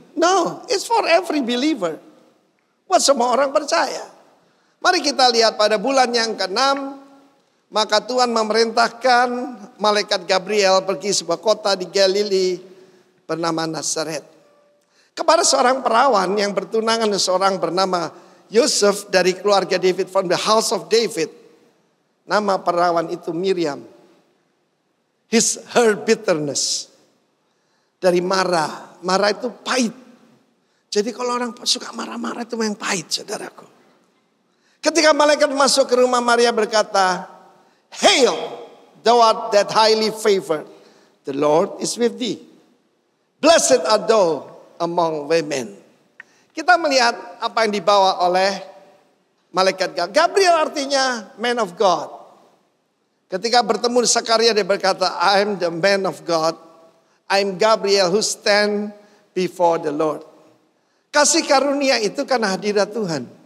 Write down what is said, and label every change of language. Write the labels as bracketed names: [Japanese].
[English] No, it's for every believer. [Indonesian] Buat semua orang percaya. Mari kita lihat pada bulan yang ke-6. Maka Tuhan memerintahkan malaikat Gabriel pergi sebuah kota di Galilee bernama Nazaret. Kepada seorang perawan yang bertunangan dengan seorang bernama Yusuf dari keluarga David, [English] from the house of David. [Indonesian] Nama perawan itu Miriam. [English] His, her bitterness. [Indonesian] Dari marah. Marah itu pahit. Jadi kalau orang suka marah-marah itu yang pahit, saudaraku. Ketika malaikat masuk ke rumah Maria berkata, [English] Hail, thou art that highly favored. The Lord is with thee. Blessed art thou among women. [Indonesian] Kita melihat apa yang dibawa oleh malaikat Gabriel. [English] Gabriel [Indonesian] artinya [English] man of God. [Indonesian] Ketika bertemu Zakaria, dia berkata, [English] I am the man of God. I am Gabriel who stand before the Lord. [Indonesian] Kasih karunia itu karena hadirat Tuhan.